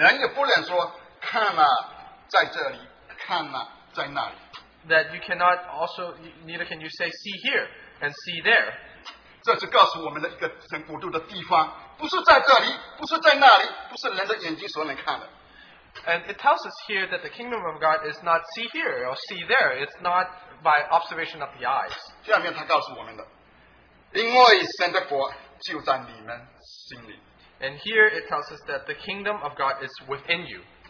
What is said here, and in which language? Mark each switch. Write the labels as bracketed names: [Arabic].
[Chinese] 人也不能说,看啊,在这里,看啊,在那里。 [English] That you cannot also, neither can you say, see here and see there. [Chinese] 这是告诉我们的一个神国度的地方,不是在这里,不是在那里,不是人的眼睛所能看的。 [English] And it tells us here that the kingdom of God is not see here or see there, it's not by observation of the eyes. [Chinese] 下面他告诉我们的,因为神的国就在你们心里。 [English] And here it tells us that the kingdom of God is within you.